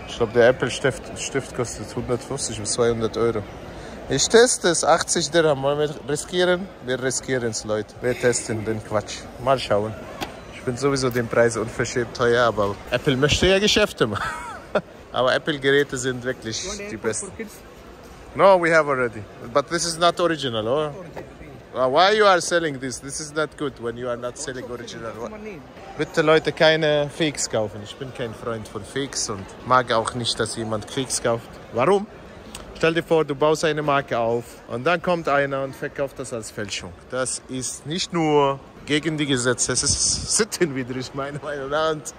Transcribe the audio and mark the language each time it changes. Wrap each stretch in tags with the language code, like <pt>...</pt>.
<de>Ich glaube, der Apple-Stift kostet 150 bis 200 Euro. Ich teste es, 80 Dirham. Wollen wir riskieren? Wir riskieren es, Leute. Wir testen den Quatsch. Mal schauen. Ich bin sowieso den Preis unverschämt teuer, aber Apple möchte ja Geschäfte machen. Aber Apple-Geräte sind wirklich die besten.</de> <en>No, we have already. But this is not original, or? Why you are selling this? This is not good when you are not selling original.</en> <de>Bitte Leute, keine Fakes kaufen. Ich bin kein Freund von Fakes und mag auch nicht, dass jemand Fakes kauft. Warum? Stell dir vor, du baust eine Marke auf und dann kommt einer und verkauft das als Fälschung. Das ist nicht nur gegen die Gesetze, es ist sittenwidrig, meiner Meinung nach.</de>